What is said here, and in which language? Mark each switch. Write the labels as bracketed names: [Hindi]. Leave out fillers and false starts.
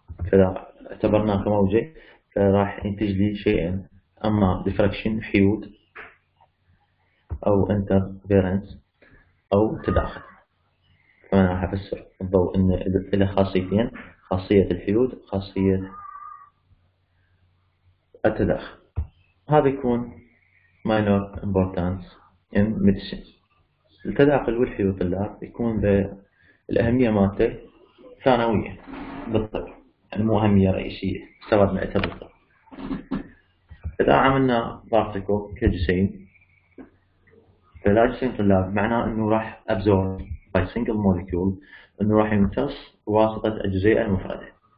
[Arabic] فاذا اعتبرناه كموجة فراح ينتج لي شيئين، اما ديفراكشن حيود او انترفيرنس او تداخل. فانا راح افسر الضوء انه له خاصيتين، خاصيه الحيود خاصيه التداخل. هذا يكون [English] minor importance in medicine. [Arabic] التداخل والحيود طلاب يكون الاهميه مالته ثانويه بالطب، يعني مو اهميه رئيسيه استفدنا منها بالطب. اذا عملنا بارتيكل كجسيم فالجسيم طلاب معناه انه راح [English] absorb by single molecule، [Arabic] انه راح يمتص بواسطة الجزيئة المفردة.